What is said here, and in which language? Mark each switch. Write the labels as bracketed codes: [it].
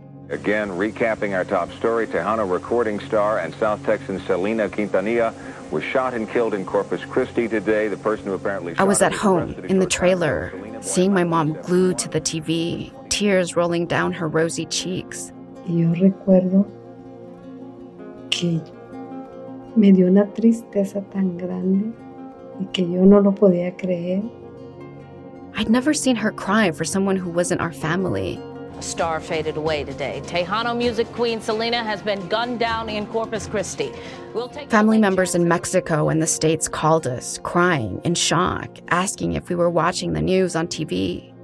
[en] Again, recapping our top story, Tejano recording star and South Texan Selena Quintanilla was shot and killed in Corpus Christi today. The person who apparently shot I was at home, in the trailer, seeing my mom glued to the TV, tears rolling down her rosy cheeks. [es] Yo recuerdo que me dio una tristeza tan grande. [en] I'd never seen her cry for someone who wasn't our family. A star faded away today. Tejano music queen Selena has been gunned down in Corpus Christi. We'll take family members in Mexico and the States called us, crying, in shock, asking if we were watching the news on TV.